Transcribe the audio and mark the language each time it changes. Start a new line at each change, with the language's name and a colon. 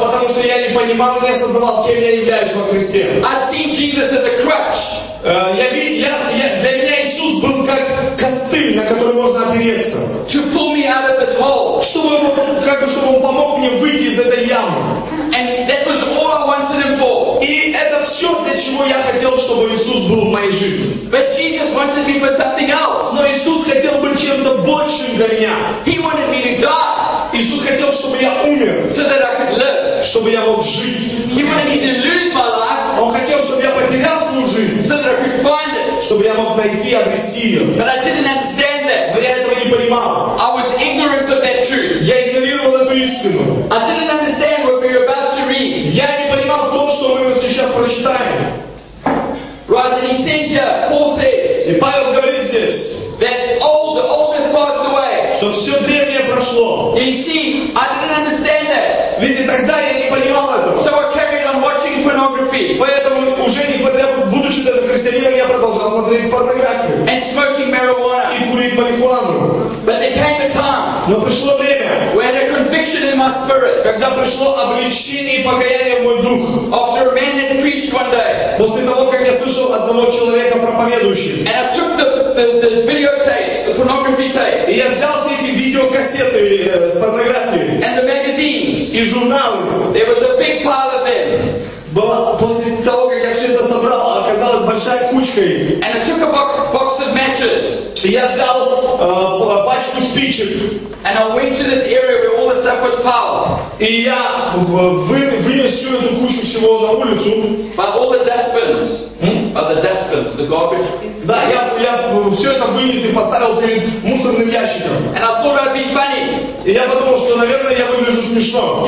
Russian: Потому что я не понимал, не осознавал, кем я являюсь во Христе.
English: I'd seen Jesus as a crutch.
Russian: Для меня Иисус был как костыль, на который можно опереться.
English: To pull me out of this hole.
Russian: Чтобы он помог мне выйти из этой ямы.
English: And that was all I wanted him for.
Russian: И это все, для чего я хотел, чтобы Иисус был в моей жизни.
English: But Jesus wanted me for something else.
Russian: Но Иисус хотел быть чем-то большим для меня.
English: He wanted me to die.
Russian: Иисус хотел, чтобы я умер.
English: So that I could live.
Russian: Чтобы я мог жить.
English: He wanted me to lose my life.
Russian: Он хотел, чтобы я потерял свою жизнь.
English: So that I could find it.
Russian: Чтобы я мог найти и обрести ее.
English: But I didn't understand that.
Russian: Но я этого не понимал.
English: I was ignorant of that truth.
Russian: Я игнорировал эту истину.
English: I didn't understand what we were about to read.
Russian: Я не понимал то, что мы вот сейчас прочитаем.
English: Right, and he says here, Paul says,
Russian: и Павел говорит здесь,
English: that the old has passed away.
Russian: Что все древнее прошло.
English: You see, I didn't understand that.
Russian: Ведь тогда я не понимал этого.
English: So I carried on watching pornography.
Russian: Поэтому уже несмотря на будучи даже христианином, я продолжал смотреть порнографию.
English: And smoking marijuana.
Russian: И курить марихуану.
English: But there came a time.
Russian: Но пришло время.
English: When a conviction in my spirit.
Russian: Когда пришло обличение и покаяние в мой дух.
English: After a man had preached one day.
Russian: После того, как я слышал одного человека проповедующего.
English: And I took the video tapes, the pornography tapes.
Russian: И я взял все эти видеокассеты с порнографией.
English: And the magazines.
Russian: И журналы.
English: There was a big pile of them.
Russian: После того, как я все это собрал, оказалась большая кучка их.
English: And I took a box of matches.
Russian: И я взял пачку спичек.
English: And I went to this area where all the stuff was piled.
Russian: И я вынес всю эту кучу всего на улицу.
English: By all the dustbins. By the dustbins, the garbage.
Russian: Да, я все это вынес и поставил перед мусорным ящиком.
English: And I thought I'd be funny.
Russian: И я подумал, что, наверное, я выгляжу смешно.